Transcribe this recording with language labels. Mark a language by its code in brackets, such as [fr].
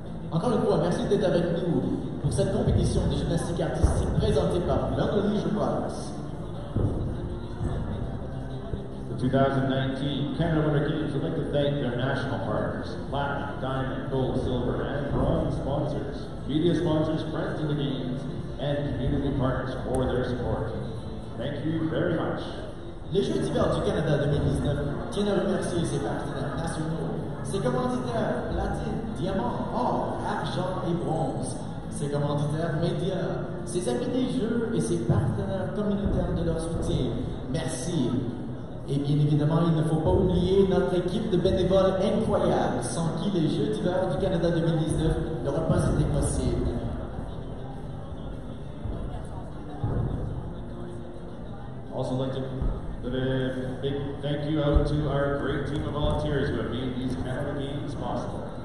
[fr] Encore une fois, merci d'être avec nous pour cette compétition de gymnastique artistique présentée par Belter Leisure Products. [en] The 2019 Canada Winter Games would like to thank their national partners, Platinum, Diamond, Gold, Silver, and Bronze sponsors, media sponsors, friends of the Games, and community partners for their support. Thank you very much. [fr] Les Jeux d'hiver du Canada 2019 tiennent à remercier ses partenaires nationaux, ses commanditaires platine, diamant, or, argent et bronze, ses commanditaires médias, ses amis des Jeux et ses partenaires communautaires de leur soutien. Merci. Et bien évidemment, il ne faut pas oublier notre équipe de bénévoles incroyable, sans qui les Jeux d'hiver du Canada 2019 n'auraient pas été possibles. [en] Also like to give a big thank you out to our great team of volunteers who have made these Canada Games possible.